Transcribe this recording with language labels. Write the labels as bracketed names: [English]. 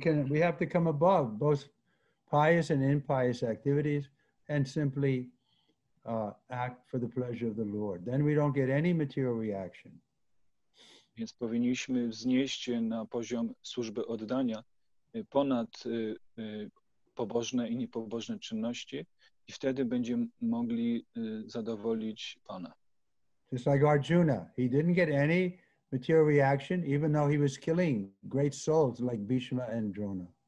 [English] We have to come above both pious and impious activities and simply act for the pleasure of the Lord. Then we don't get any material reaction. [Polish] Więc powinniśmy wznieść się na poziom służby oddania ponad pobożne i niepobożne czynności i wtedy będziemy mogli zadowolić Pana. [English] Just like Arjuna, he didn't get any material reaction, even though he was killing great souls like Bhishma and Drona.